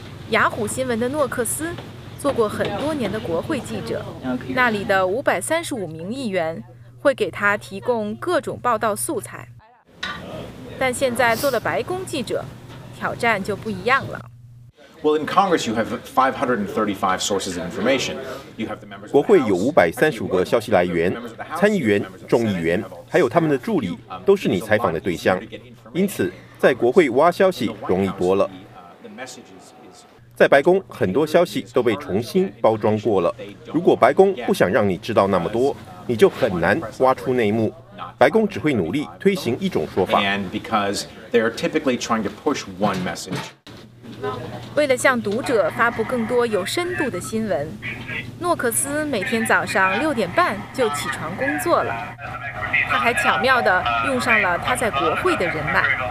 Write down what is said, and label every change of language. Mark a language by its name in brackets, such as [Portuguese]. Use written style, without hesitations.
[Chinese] 雅虎新闻的诺克斯做过很多年的国会记者，那里的535名议员会给他提供各种报道素材，但现在做了白宫记者，挑战就不一样了。 [English] Well, in Congress, you have 535 sources of information. You have the members. [Chinese] 国会有535个消息来源，参议员、众议员，还有他们的助理，都是你采访的对象。因此，在国会挖消息容易多了。在白宫，很多消息都被重新包装过了。如果白宫不想让你知道那么多，你就很难挖出内幕。白宫只会努力推行一种说法。 [English] And because they are typically trying to push one message. [Chinese] 为了向读者发布更多有深度的新闻，诺克斯每天早上6:30就起床工作了。他还巧妙地用上了他在国会的人脉。